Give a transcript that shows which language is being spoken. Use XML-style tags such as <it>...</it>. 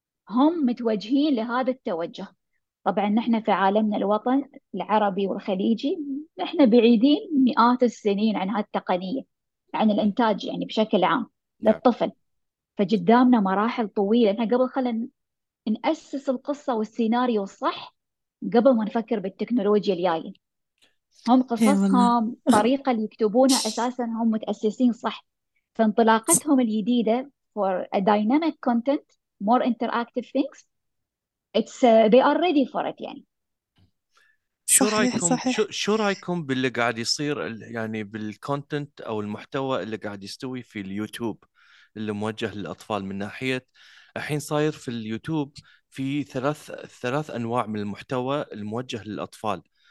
<ar>هم متوجهين لهذا التوجه. طبعا نحن في عالمنا الوطن العربي والخليجي نحن بعيدين مئات السنين عن هالتقنية، عن الإنتاج يعني بشكل عام للطفل، فقدامنا مراحل طويلة. نحن قبل خلنا نأسس القصة والسيناريو الصح قبل ما نفكر بالتكنولوجيا الجاية. هم اي والله. قصصهم الطريقة اللي يكتبونها أساسا هم متأسسين صح، فانطلاقتهم الجديدة</ar> <en>for a dynamic content more interactive things it's they are ready for it.</en> <ar>يعني صحيح رايكم صحيح. شو رايكم باللي قاعد يصير يعني بالكونتنت او المحتوى اللي قاعد يستوي في اليوتيوب اللي موجه للاطفال؟ من ناحيه الحين صاير في اليوتيوب في ثلاث انواع من المحتوى الموجه للاطفال.</ar>